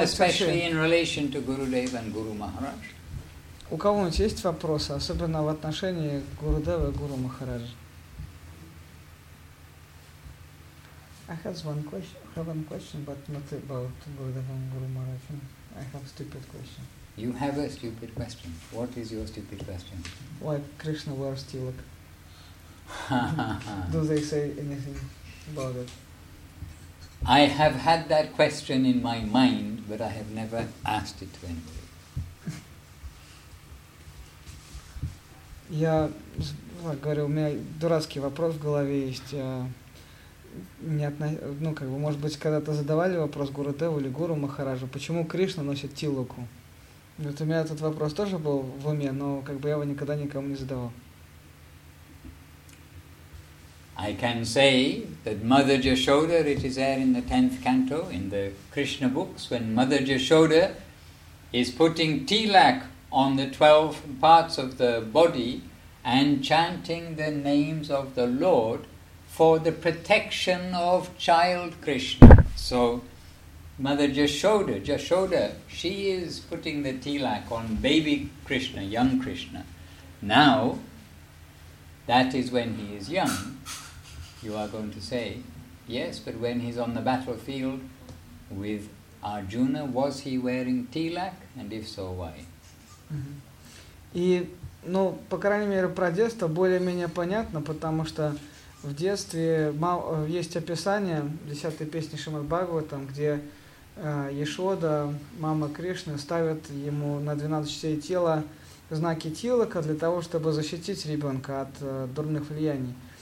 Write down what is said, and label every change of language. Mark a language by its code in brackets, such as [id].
[en] especially in relation to Gurudev and Guru Maharaj. [ru] У кого-нибудь есть вопросы, особенно в отношении Гурудева и Гуру Махараджа? [en] I have one question. About Gurudeva and Guru Maharaja. I have a stupid question. You have a stupid question. What is your stupid question? Why Krishna wears tilak? Do they say anything about it? I have had that question in my mind, but I have never asked it to anybody. [ru] Я говорю, у меня дурацкий вопрос в голове есть. Может быть, когда-то задавали вопрос Гурудеву или Гуру Махараджу, почему Кришна носит тилаку? Вот у меня этот вопрос тоже был в уме, но я его никогда никому не задавал. [en] I can say that Mother Yashoda, it is there in the 10th canto, in the Krishna books, when Mother Yashoda is putting tilak on the 12 parts of the body and chanting the names of the Lord for the protection of child Krishna. So Mother Yashoda, she is putting the tilak on baby Krishna, young Krishna. Now, that is when he is young, you are going to say, yes, but when he's on the battlefield with Arjuna, was he wearing tilak? And if so, why? [ru] И, по крайней мере, про детство более-менее понятно, потому что в детстве есть описание 10-й песни Шримад-Бхагаватам, где Яшода, мама Кришны, ставит ему на 12 частей тела знаки тилака для того, чтобы защитить ребенка от дурных влияний.